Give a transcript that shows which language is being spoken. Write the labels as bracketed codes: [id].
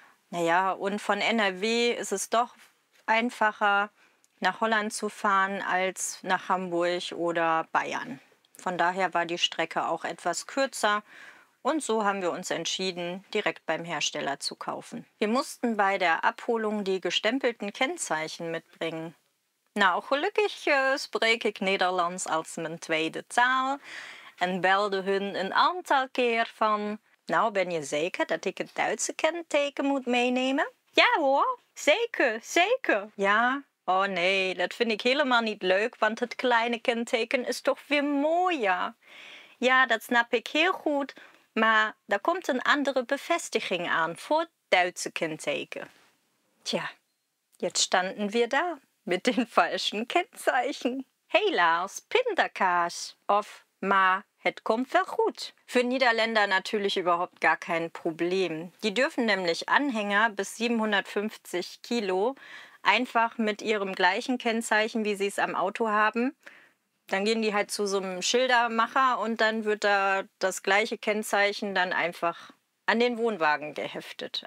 [de] Naja, und von NRW ist es doch einfacher, nach Holland zu fahren als nach Hamburg oder Bayern. Von daher war die Strecke auch etwas kürzer und so haben wir uns entschieden, direkt beim Hersteller zu kaufen. Wir mussten bei der Abholung die gestempelten Kennzeichen mitbringen. [nl] Na, auch gelukkig spreek ik Nederlands als mijn tweede taal en belde hun een aantal keer van: nou, ben je zeker dat ik het Duitse kenteken moet meenemen? Ja hoor, zeker, zeker. Ja. Oh nee, dat vind ik helemaal niet leuk, want het kleine kenteken is toch weer mooier. Ja, dat snap ik heel goed, maar daar komt een andere bevestiging aan voor het Duitse kenteken. [de] Tja, jetzt standen wir da mit den falschen Kennzeichen. [nl] Hey Lars, pindakaas. Of, maar het komt wel goed. [de] Für Niederländer natürlich überhaupt gar kein Problem. Die dürfen nämlich Anhänger bis 750 Kilo einfach mit ihrem gleichen Kennzeichen, wie sie es am Auto haben. Dann gehen die halt zu so einem Schildermacher und dann wird da das gleiche Kennzeichen dann einfach an den Wohnwagen geheftet.